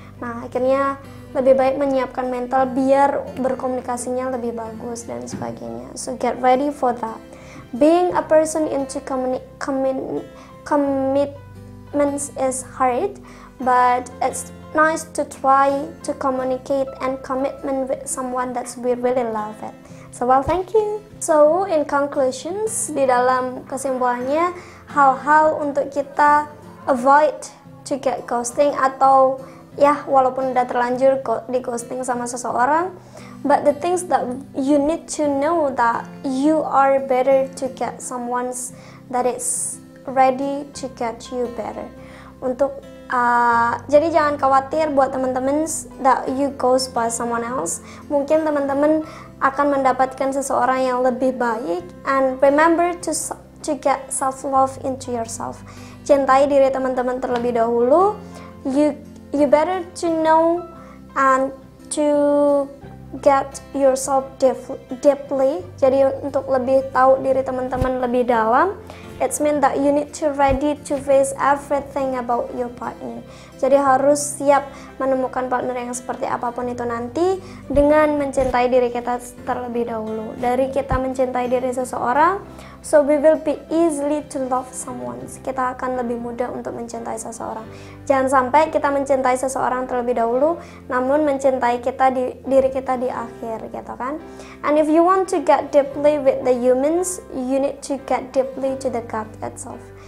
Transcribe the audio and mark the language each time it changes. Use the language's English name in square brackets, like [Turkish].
[Indonesian] Nah, akhirnya lebih baik menyiapkan mental biar berkomunikasinya lebih bagus dan sebagainya. [English] So get ready for that. Being a person into commitments is hard, but it's nice to try to communicate and commitment with someone that we really love it. So well, thank you. So in conclusions, [Indonesian] di dalam kesimpulannya, hal-hal untuk kita [English] avoid to get ghosting, [Indonesian] atau ya walaupun udah terlanjur di ghosting sama seseorang, [English] but the things that you need to know that you are better to get someone that is ready to get you better. [Indonesian] Untuk jadi jangan khawatir buat teman-teman [English] that you ghost by someone else. [Indonesian] Mungkin teman-teman akan mendapatkan seseorang yang lebih baik. [English] And remember to get self-love into yourself. [Indonesian] Cintai diri teman-teman terlebih dahulu. [English] You better to know and to get yourself deeply. [Indonesian] Jadi untuk lebih tahu diri teman-teman lebih dalam, [English] it's mean that you need to ready to face everything about your partner. [Indonesian] Jadi harus siap menemukan partner yang seperti apapun itu nanti dengan mencintai diri kita terlebih dahulu. Dari kita mencintai diri seseorang, [English] so we will be easily to love someone. [Indonesian] Kita akan lebih mudah untuk mencintai seseorang. Jangan sampai kita mencintai seseorang terlebih dahulu, namun mencintai kita di diri kita di akhir, gitu kan? [English] And if you want to get deeply with the humans, you need to get deeply to the God itself.